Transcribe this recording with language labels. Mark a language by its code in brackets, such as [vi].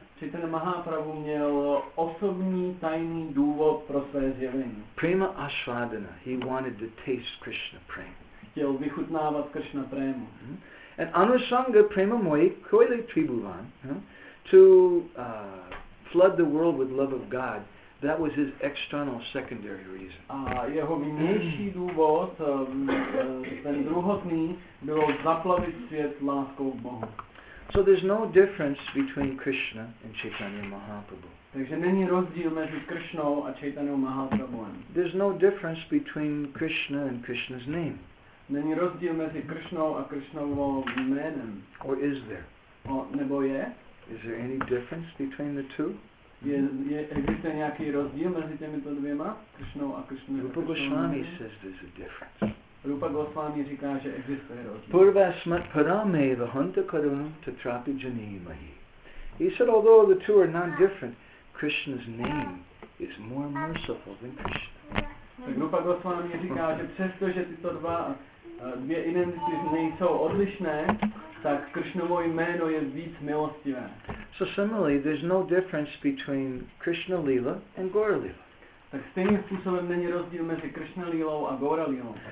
[cs] Chaitanya Mahaprabhu měl osobní tajný důvod pro své zjevení. [en] Prima Ashvadana, he wanted to taste Krishna Prema. [cs] Chtěl vychutnávat Krishna Prema. [en] And [bn] Anusanga Prema Moi Koile Tribhuvan, [en] to flood the world with love of God. That was his external secondary reason. [cs] A jeho vnější důvod, ten druhotný, bylo zaplavit svět láskou k Bohu. [en] So there's no difference between Krishna and Chaitanya Mahaprabhu. [cs] Takže není rozdíl mezi Krishnou a Chaitanya Mahaprabhuem. [en] There's no difference between Krishna and Krishna's name. [cs] Není rozdíl mezi Krishnou a Krishnovo jménem. [en] Or is there? [cs] O, nebo je? [en] Is there any difference between the two? [cs] Existuje nějaký rozdíl mezi těmito dvěma, Krishnou a Krishna? [en] Rupa Goswami says there's a difference. [cs] Rupa Goswami říká, že existuje rozdíl. Purva smat parame vahanta karunam tatrapi janimahi. [en] He said, although the two are not different, Krishna's name is more merciful than Krishna. [cs] Tak Rupa Goswami říká, že přesto, že tyto dvě identity nejsou odlišné, tak Krishnovo jméno je víc milostivé. [en] So similarly, there's no difference between Krishna Lila and Gaura Lila. [cs] Tak stejným způsobem není rozdíl mezi Krishna Lilou a Gaura Lilou.